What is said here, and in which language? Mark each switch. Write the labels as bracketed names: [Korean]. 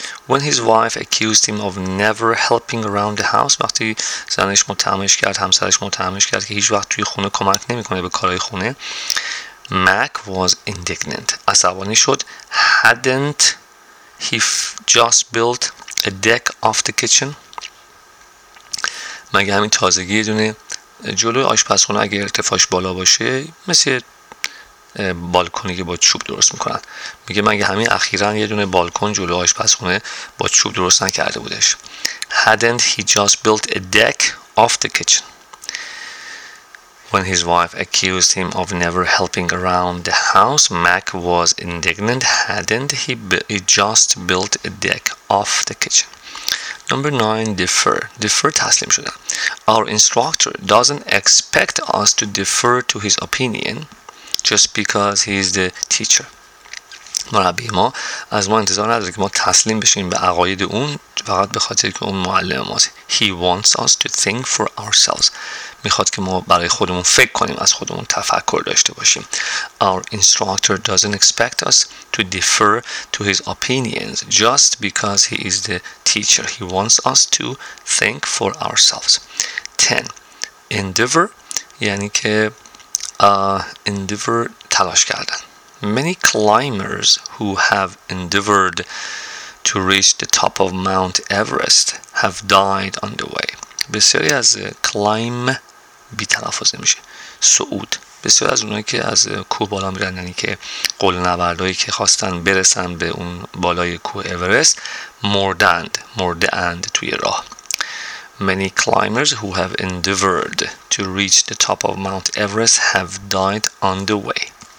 [English] When his wife accused him of never helping around the house, [Persian] وقتی زنش متهمش کرد, همسرش متهمش کرد که هیچ وقت توی خونه کمک نمی کنه به کارهای خونه, [English] Mac was indignant. [Persian] عصبانی شد. [English] Hadn't he just built a deck off the kitchen? [Persian] مگه همین تازگی دونه جلوی آشپزخونه اگه ارتفاعش بالا باشه مثل بالکونی که با چوب درست میکنن. میگه مگه همین اخیراً یه دونه بالکن جلوی آشپزخونه با چوب درست نکرده بودش. [English] Hadn't he just built a deck off the kitchen? When his wife accused him of never helping around the house, Mac was indignant. Hadn't he, he just built a deck off the kitchen? Number 9, defer. Defer [Persian] taslim shudan. [English] Our instructor doesn't expect us to defer to his opinion just because he is the teacher. [Persian] مربی ما از ما انتظار نداره که ما تسلیم بشیم به عقاید اون فقط به خاطر که اون معلم ماست. [English] He wants us to think for ourselves. [Persian] میخواد که ما برای خودمون فکر کنیم، از خودمون تفکر داشته باشیم. [English] Our instructor doesn't expect us to defer to his opinions just because he is the teacher. He wants us to think for ourselves. 10. [Persian] Endeavor یعنی که endeavor تلاش کردن. [English] Many climbers who have endeavored to reach the top of Mount Everest have died on the way. [Persian] بسیاری از کلایم بی تلفظ نمیشه. صعود. بسیاری از اونایی که از کوه بالا میرن، یعنی که قلنوردایی که خواستن برسن به اون بالای کوه اورست، مردند، مرده اند توی راه. [English] Many climbers who have endeavored to reach the top of Mount Everest have died on the way.